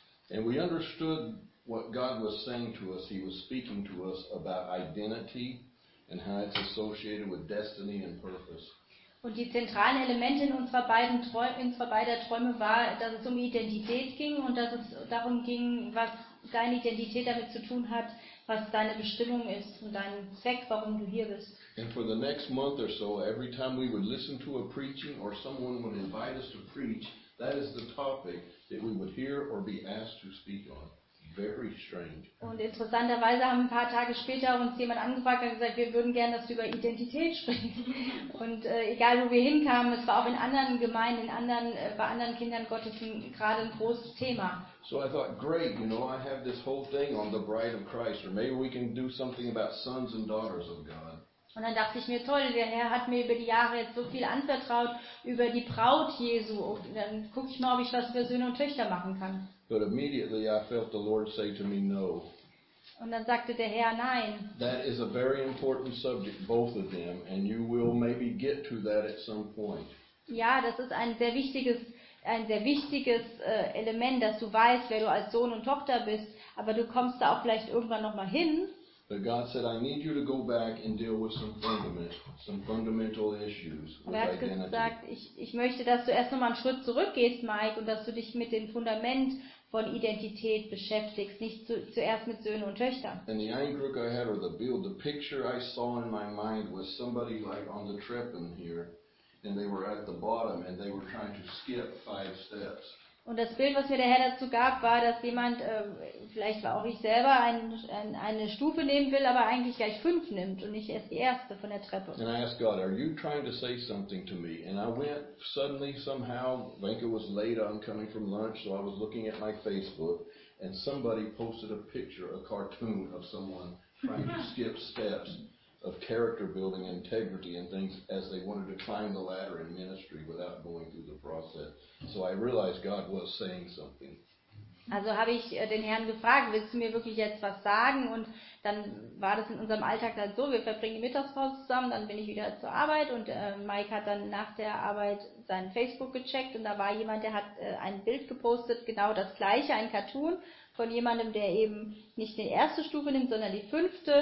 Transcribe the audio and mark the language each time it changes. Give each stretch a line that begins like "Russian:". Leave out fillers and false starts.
English: And we understood what God was saying to us. He was speaking to us about identity and how it's associated with destiny and purpose.
German: Und die zentralen Elemente in unserer beiden Träume, in unserer beiden Träume war, dass es um Identität ging und dass es darum ging, was deine Identität damit zu tun hat, was deine Bestimmung ist und dein Zweck, warum du hier bist.
English: And for the next month or so, every time we would listen to a preaching or someone would invite us to preach, that is the topic that we would hear or be asked to speak on. Very strange.
German: Und interessanterweise haben ein paar Tage später uns jemand angefragt und gesagt, wir würden gerne, dass du über Identität sprichst. Und egal, wo wir hinkamen, es war auch in anderen Gemeinden, in anderen, bei anderen Kindern Gottes gerade ein großes Thema.
English: So I thought, great, you know, I have this whole thing on the Bride of Christ, or maybe we can do something about sons and daughters of God.
German: Und dann dachte ich mir, toll, der Herr hat mir über die Jahre jetzt so viel anvertraut über die Braut Jesu. Und dann gucke ich mal, ob ich was für Söhne und Töchter machen kann.
English: But immediately I felt the Lord say to me, no.
German: Und dann sagte der Herr, nein.
English: That is a very important subject, both of them, and you will maybe get to that at some point.
German: Ja, das ist ein sehr wichtiges Element, dass du weißt, wer du als Sohn und Tochter bist, aber du kommst da auch vielleicht irgendwann nochmal hin.
English: But God said, I need you to go back and deal with some fundamental issues with identity.
German: Er hat gesagt, ich möchte, dass du erst nochmal einen Schritt zurückgehst, Mike, und dass du dich mit dem Fundament von Identität beschäftigst, nicht zuerst mit Söhnen und Töchtern.
English: And the Eindruck I had, or the build, the picture I saw in my mind was somebody like on the Treppen here, and they were at the bottom, and they were trying to skip 5 steps.
German: Und das Bild, was mir der Herr dazu gab, war, dass jemand, vielleicht war auch ich selber, eine Stufe nehmen will, aber eigentlich gleich 5 nimmt und nicht erst die erste von der Treppe.
English: And I asked God, are you trying to say something to me? And I went suddenly somehow, Venka was late, I'm coming from lunch, so I was looking at my Facebook and somebody posted a picture, a cartoon of someone trying to skip steps of character building, integrity and things as they wanted to climb the ladder in ministry without going through the process. So I realized God was saying something.
German: Also habe ich den Herrn gefragt, willst du mir wirklich jetzt was sagen? Und dann war das in unserem Alltag dann so, wir verbringen die Mittagspause zusammen, dann bin ich wieder zur Arbeit und Mike hat dann nach der Arbeit sein Facebook gecheckt und da war jemand, der hat ein Bild gepostet, genau das gleiche, ein Cartoon von jemandem, der eben nicht die erste Stufe nimmt, sondern die 5.